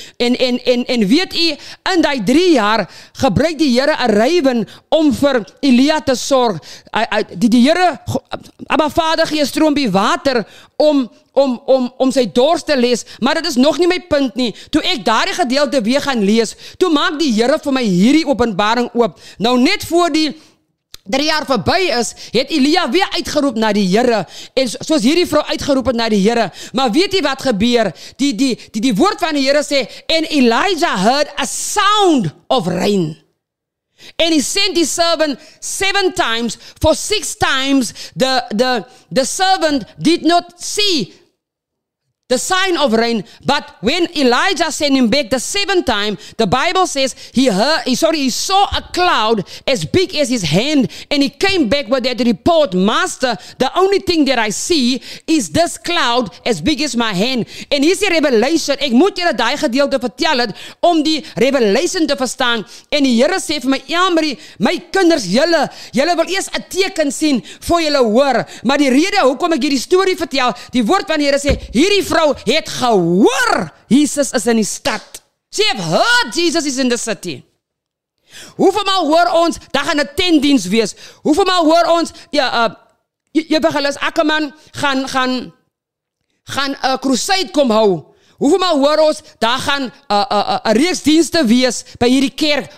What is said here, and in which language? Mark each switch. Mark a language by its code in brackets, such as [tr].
[af] En weet jy, in die 3 jaar, gebruik die Here 'n rywin om vir Elia te sorg. Die Here, Abba Vader, gee stroompie water om sy dorst te les, maar dit is nog nie my punt nie. Toe ek daardie gedeelte weer gaan lees, toe maak die Here vir my hierdie openbaring oop. Nou net voor die 3 jaar verby is, het Elia weer uitgeroep na die Here, en soos hierdie vrou uitgeroep het na die Here. Maar weet jy wat gebeur? Die woord van die Here sê, en [en] Elijah heard a sound of rain. And he sent his servant 7 times. For 6 times, the servant did not see the sign of rain. But when Elijah sent him back the 7th time, the Bible says he saw a cloud as big as his hand. And he came back with that report, Master, the only thing that I see is this cloud as big as my hand. And here's the revelation. [af] Ek moet julle daai gedeelte vertel het, om die revelation te verstaan. En die Here sê vir my, Elmarie, my kinders, julle wil eers 'n teken sien voor julle hoor. Maar die rede hoekom ek hierdie story vertel, die woord van die Here sê, hierdie vrou het gehoor, Jesus is in die stad. [en] She have heard Jesus is in the city. [af] Hoeveel maal hoor ons, daar gaan 'n tentdiens wees. Hoeveel maal hoor ons, Evangelist Ackerman gaan 'n crusade kom hou. Hoeveel maal hoor ons, daar gaan 'n reeks dienste wees by hierdie kerk.